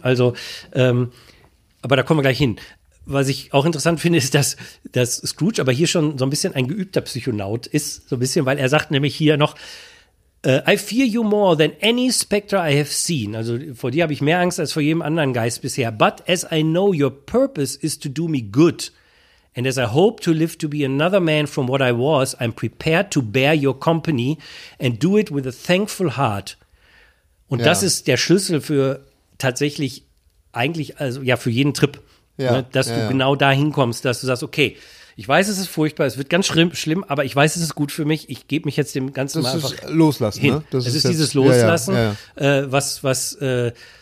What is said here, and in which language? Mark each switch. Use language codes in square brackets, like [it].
[de] Also, aber da kommen wir gleich hin. Was ich auch interessant finde, ist, dass Scrooge aber hier schon so ein bisschen ein geübter Psychonaut ist, so ein bisschen, weil er sagt nämlich hier noch, [en] I fear you more than any specter I have seen. [de] Also vor dir habe ich mehr Angst als vor jedem anderen Geist bisher. [en] But as I know your purpose is to do me good and as I hope to live to be another man from what I was, I'm prepared to bear your company and do it with a thankful heart. [de] Und das ist der Schlüssel für tatsächlich eigentlich, also ja, für jeden Trip. Ja, ne, dass du genau da hinkommst, dass du sagst, okay, Ich weiß, es ist furchtbar, es wird ganz schlimm, aber ich weiß, es ist gut für mich. Ich gebe mich jetzt dem Ganzen das mal einfach loslassen, hin. Ne? Das es ist jetzt, dieses Loslassen, ja, ja, ja.